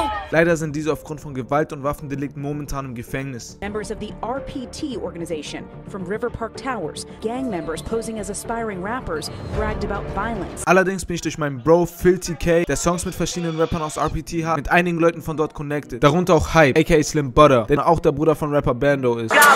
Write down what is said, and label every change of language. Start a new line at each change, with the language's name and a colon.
German: Leider sind diese aufgrund von Gewalt und Waffendelikten momentan im Gefängnis.
English: Members of the RPT organization from River Park Towers, gang members posing as aspiring rappers, bragged about violence.
German: Allerdings bin ich durch meinen Bro Filthy K, der Songs mit verschiedenen Rappern aus RPT hat, mit einigen Leuten von dort connected. Darunter auch Hype, aka Slim Butter, der auch der Bruder von Rapper Bando ist.